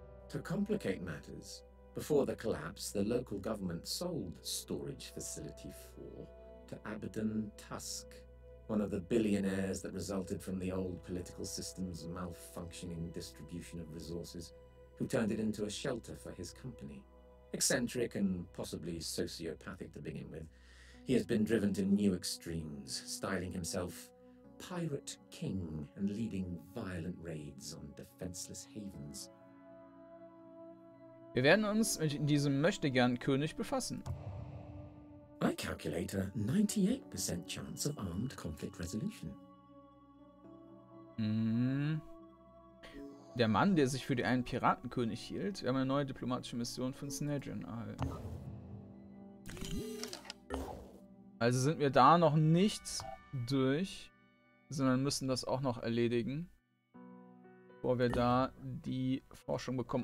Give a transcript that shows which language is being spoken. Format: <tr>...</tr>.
<en>To complicate matters, before the collapse, the local government sold Storage Facility 4 to Abaddon Tusk, one of the billionaires that resulted from the old political system's malfunctioning distribution of resources, who turned it into a shelter for his company. eccentric and possibly sociopathic to begin with. He has been driven to new extremes, styling himself Pirate King and leading violent raids on defenseless havens.</en> <de>Wir werden uns mit diesem Möchtegern-König befassen.</de> <en>I calculate a 98% chance of armed conflict resolution.</en> <de>Der Mann, der sich für den einen Piratenkönig hielt, wir haben eine neue diplomatische Mission von Snedrin erhalten. Also sind wir da noch nicht durch, sondern müssen das auch noch erledigen, bevor wir da die Forschung bekommen.</de>